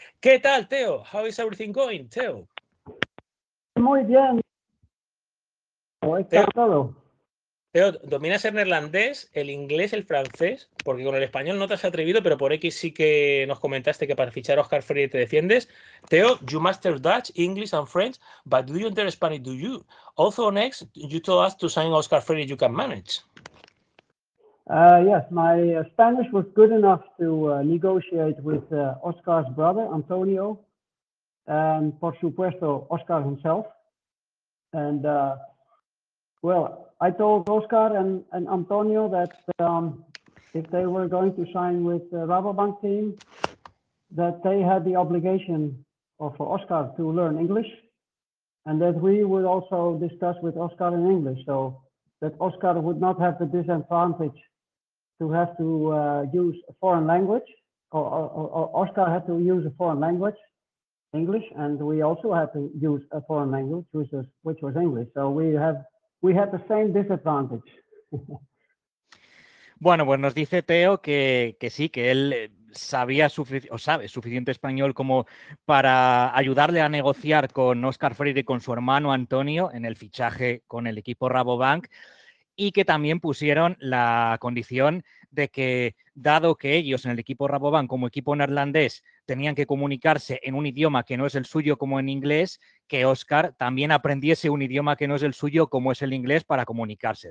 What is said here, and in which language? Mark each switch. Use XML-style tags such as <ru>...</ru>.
<es>¿Qué tal, Theo?</es> <en>How is everything going, Theo?</en> <es>Muy bien. Theo, dominas el neerlandés, el inglés, el francés, porque con el español no te has atrevido, pero por X sí que nos comentaste que para fichar a Oscar Freire te defiendes.</es> <en>Theo, you master Dutch, English and French, but do you enter Spanish, do you? Also on X, you told us to sign Oscar Freire you can manage. Yes, my Spanish was good enough to negotiate with Oscar's brother, Antonio, and</en> <es>por supuesto,</es> <en>Oscar himself. And well, I told Oscar and Antonio that if they were going to sign with the Rabobank team, that they had the obligation for Oscar to learn English, and that we would also discuss with Oscar in English, so that Oscar would not have the disadvantage to have to use a foreign language, or Oscar had to use a foreign language, English, and we also had to use a foreign language, which was English. So we have the same disadvantage.</en> <es>Bueno, nos dice Theo que sí, que él sabía sabe suficiente español como para ayudarle a negociar con Oscar Freire y con su hermano Antonio en el fichaje con el equipo Rabobank, y que también pusieron la condición de que, dado que ellos en el equipo Rabobank, como equipo neerlandés, tenían que comunicarse en un idioma que no es el suyo, como en inglés, que Oscar también aprendiese un idioma que no es el suyo, como es el inglés, para comunicarse.</es>